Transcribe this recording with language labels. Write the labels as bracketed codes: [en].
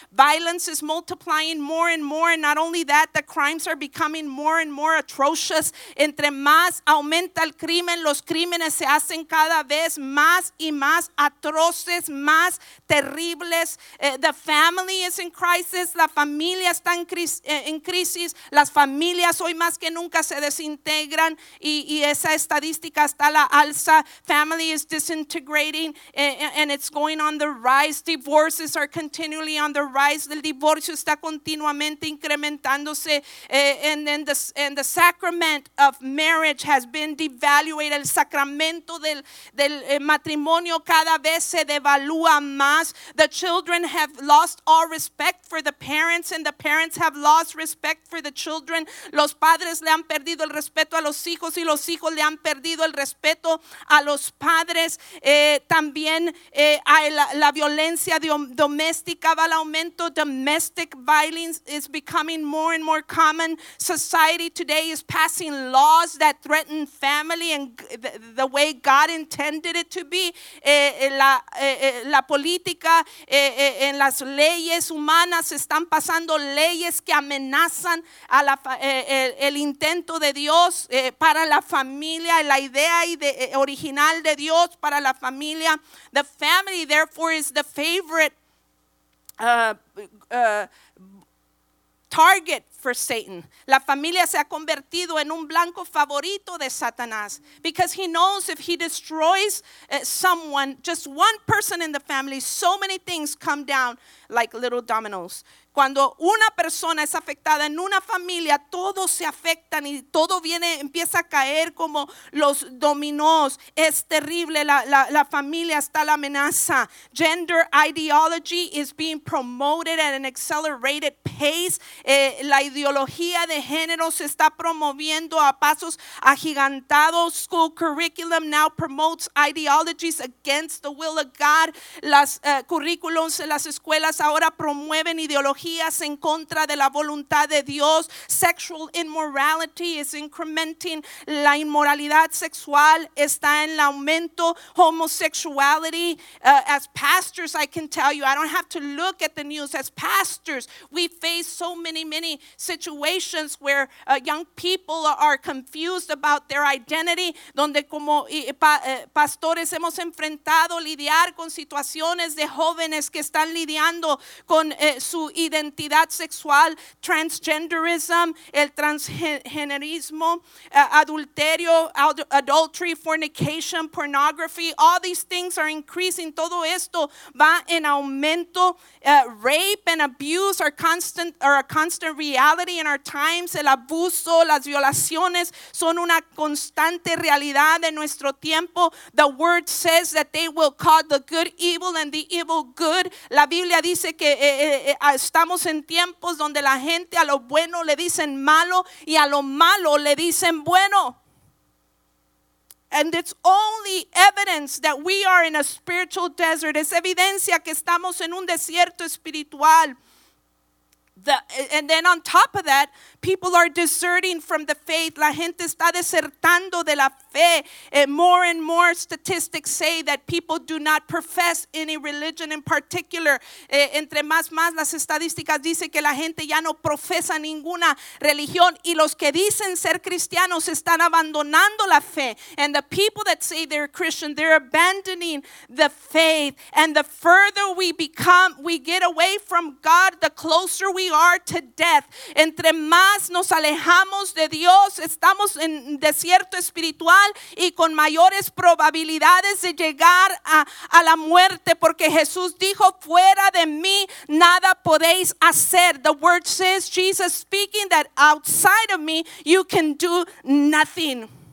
[en] Violence is multiplying more and more. And not only that, the crimes are becoming more and more atrocious. [es] Entre más aumenta el crimen, los crímenes se hacen cada vez más y más atroces, más terribles. [en] The family is in crisis. [es] La familia está en crisis. Las familias hoy más que nunca se desintegran y esa estadística está a la alza. [en] Family is disintegrating and it's going on the rise. Divorces are continually on the rise. [es] El divorcio está continuamente incrementándose [en] and the sacrament of marriage has been devaluated. [es] El sacramento del matrimonio cada vez se devalúa más. [en] The children have lost all respect for the parents and the parents have lost respect for the children. [es] Los padres le han perdido el respeto a los hijos y los hijos le han perdido el respeto a los padres. También la violencia doméstica va al aumento. [en] Domestic violence is becoming more and more common. Society today is passing laws that threaten family and the way God intended it to be. [es] La política en las leyes humanas están pasando leyes que amenazan a el intento de Dios para la familia, la idea original de Dios para la familia. [en] The family, therefore, is the favorite target for Satan. [es] La familia se ha convertido en un blanco favorito de Satanás. [en] Because he knows if he destroys someone, just one person in the family, so many things come down like little dominoes. [es] Cuando una persona es afectada en una familia, todos se afectan y todo viene, empieza a caer como los dominós. Es terrible, la familia está la amenaza. [en] Gender ideology is being promoted at an accelerated pace. [es] La ideología de género se está promoviendo a pasos agigantados. [en] School curriculum now promotes ideologies against the will of God. [es] Las currículums en las escuelas ahora promueven ideologías en contra de la voluntad de Dios. [en] Sexual immorality is incrementing. [es] La inmoralidad sexual está en aumento. [en] Homosexuality, as pastors, I can tell you, I don't have to look at the news. As pastors, we face so many, many situations where young people are confused about their identity, [es] donde como pastores hemos enfrentado lidiar con situaciones de jóvenes que están lidiando con su identidad. Identidad sexual, [en] transgenderism, [es] el transgenerismo, [en] adulterio, adultery, fornication, pornography, all these things are increasing. [es] Todo esto va en aumento. [en] Rape and abuse are a constant reality in our times. [es] El abuso, las violaciones son una constante realidad de nuestro tiempo. [en] The word says that they will call the good evil and the evil good. [es] La Biblia dice que estamos en tiempos donde la gente a lo bueno le dicen malo y a lo malo le dicen bueno. [en] And it's only evidence that we are in a spiritual desert. [es] Es evidencia que estamos en un desierto espiritual. [en] And then on top of that, people are deserting from the faith. [es] La gente está desertando de la fe. [en] More and more statistics say that people do not profess any religion in particular. [es] Entre más las estadísticas dicen que la gente ya no profesa ninguna religión. Y los que dicen ser cristianos están abandonando la fe. [en] And the people that say they're Christian, they're abandoning the faith. And the further we get away from God, the closer we are to death. [es] Entre más nos alejamos de Dios, estamos en desierto espiritual y con mayores probabilidades de llegar a la muerte, porque Jesús dijo, fuera de mí nada podéis hacer. [en] The word says, Jesus speaking, that outside of me you can do nothing.